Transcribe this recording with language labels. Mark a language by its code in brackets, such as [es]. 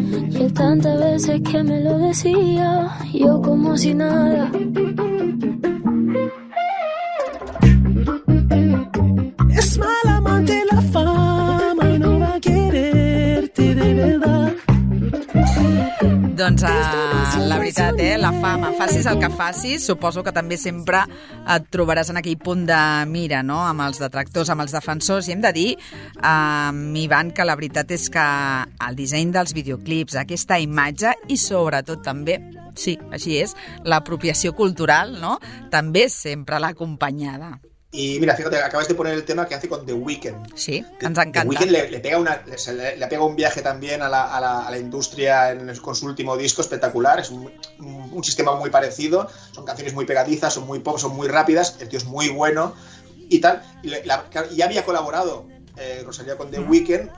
[es] Y él tantas veces que me lo decía, yo como si nada. Es mal amante la fama y no va a quererte de verdad. [ca] doncs la veritat, la fama, facis el que facis, suposo que també sempre et trobaràs en aquell punt de mira, no?, amb els detractors, amb els defensors, i hem de dir, Ivan, que la veritat és que el disseny dels videoclips, aquesta imatge i sobretot també, sí, així és, l'apropiació cultural, no?, també sempre l'ha acompanyada. [es] Y mira, fíjate, acabas de poner el tema que hace con The Weeknd. Sí, nos encanta. The Weeknd le pega un viaje también a la industria con su último disco espectacular. Es un sistema muy parecido. Son canciones muy pegadizas, son muy pop, son muy rápidas. El tío es muy bueno y tal. Ya había colaborado Rosalía con The Weeknd.